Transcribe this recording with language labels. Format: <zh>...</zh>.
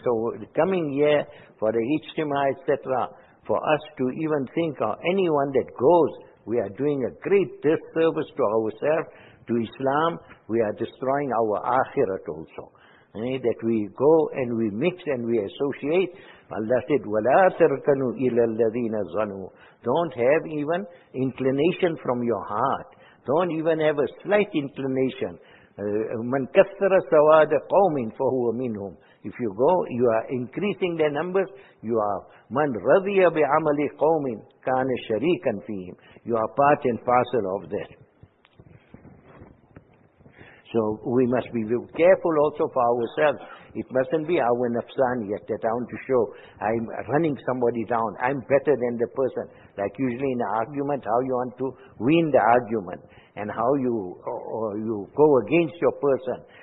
<en>So coming here for the Ijtima, etc., for us to even think of anyone that goes, we are doing a great disservice to ourselves, to Islam. We are destroying our akhirat also. That we go and we mix and we associate. Allah said,</en> <ar>وَلَا تَرْكَنُوا إِلَى الَّذِينَ ظَنُوا.</ar> <en>Don't have even inclination from your heart. Don't even have a slight inclination.</en> <ar>مَنْ كَثَّرَ سَوَادَ قَوْمٍ فَهُوَ مِنْهُمْ.</ar> <en>If you go, you are increasing their numbers. You are,</en> <ar>مَنْ رَضِيَ بِعَمَلِ قَوْمٍ كَانَ شَرِيكًا فِيهِمْ.</ar> <en>You are part and parcel of that. So we must be careful also for ourselves. It mustn't be our nafsan yet that I want to show I'm running somebody down. I'm better than the person. Like usually in an argument, how you want to win the argument and how you go against your person</en>